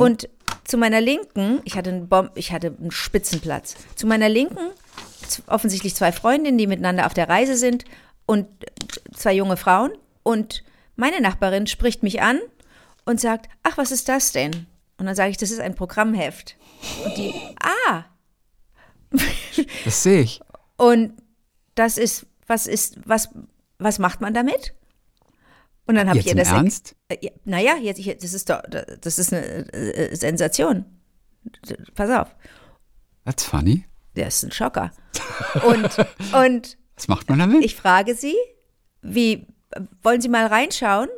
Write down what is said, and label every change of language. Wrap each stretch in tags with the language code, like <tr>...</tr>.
<de>Und zu meiner Linken, ich hatte einen Spitzenplatz, zu meiner Linken offensichtlich 2 Freundinnen, die miteinander auf der Reise sind und 2 junge Frauen und Meine Nachbarin spricht mich an und sagt, ach, was ist das denn? Und dann sage ich, das ist ein Programmheft. Und die, ah. Das sehe ich. Und das ist, was ist, was macht man damit? Und dann habe ich ihr das. Ernst? Naja, jetzt, das ist doch, das ist eine Sensation. Pass auf.</de> <en>That's funny.</en> <de>Der ist ein Schocker. Und was macht man damit? Ich frage sie, wie, wollen Sie mal reinschauen?</de>